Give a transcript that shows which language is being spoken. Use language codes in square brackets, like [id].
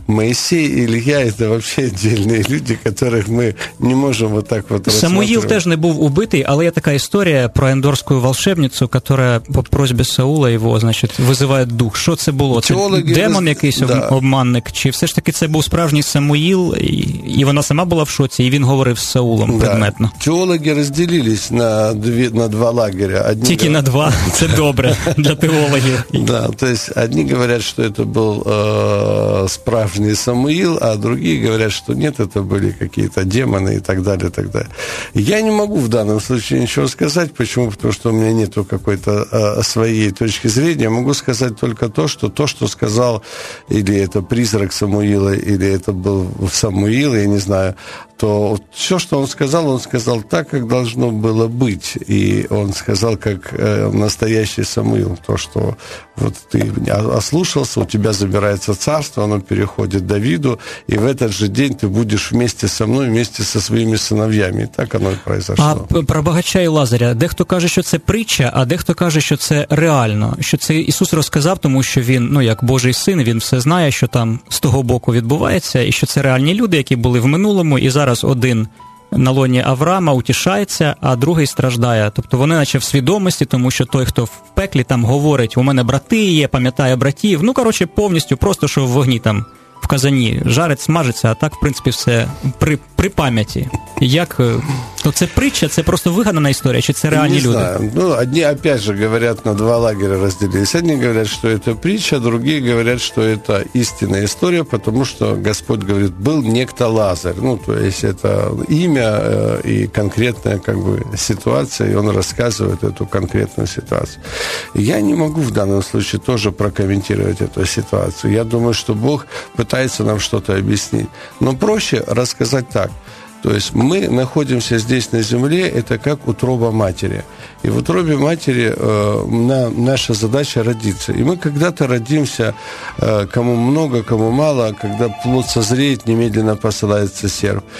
[ru] Моисей и Илья – это вообще отдельные люди, которых мы не можем вот так вот рассматривать. [uk] Самуїл теж не був убитий, але є така історія про ендорську волшебницю, [ru] которая по просьбе Саула его, значит, вызывает дух. [uk] Що це було? Теологи, це демон якийсь, да, обманник? Чи все ж таки це був справжній Самуїл, і вона сама була в шоці, і він говорив з Саулом предметно? Да. Теологи розділились на два лагеря. Одні тільки на два – це добре для теологів. [ru] Да, то есть одни говорят, что это был [uk] справжний Самуїл, [ru] а другие говорят, что нет, это были какие-то демоны и так далее, и так далее. Я не могу в данном случае ничего сказать. Почему? Потому что у меня нету какой-то своей точки зрения. Могу сказать только то, что сказал или это призрак Самуила, или это был Самуил, я не знаю, то все, что он сказал так, как должно было быть. И он сказал, как настоящий Самуил, то, что вот ты ослушался, у тебя забирается царство, оно переходит Давиду, и в этот же день ты будешь вместе со мной, вместе со своими сыновьями. И так оно и произошло. А про богача и Лазаря. [uk] Дехто каже, що це притча, а дехто каже, що це реально. Що це Ісус розказав, тому що він, ну, як Божий син, він все знає, що там з того боку відбувається, і що це реальні люди, які були в минулому, і зараз один на лоні Авраама утішається, а другий страждає. Тобто вони наче в свідомості, тому що той, хто в пеклі, там говорить, у мене брати є, пам'ятає братів. Ну, коротше, повністю просто, що в вогні там, в казані, жарить, смажиться, а так, в принципі, все при пам'яті. Як... То це притча, це просто вигадана історія, чи це реальні люди? Не знаю. Ну, одні, [ru] опять же, [uk] говорять, на два лагеря розділились. Одні говорять, що це притча, другі говорять, що це істинна історія, тому що Господь говорить, був некто Лазар. Ну, то есть, це ім'я і конкретна, как бы, ситуація, і він розказує цю конкретну ситуацію. Я не можу в даному випадку теж прокоментувати цю ситуацію. Я думаю, що Бог пытается нам щось об'яснити. [ru] Но проще розказати так. То есть мы находимся здесь на земле, это как утроба матери. И в утробе матери наша задача родиться. И мы когда-то родимся, кому много, кому мало, когда плод созреет, немедленно посылается серп.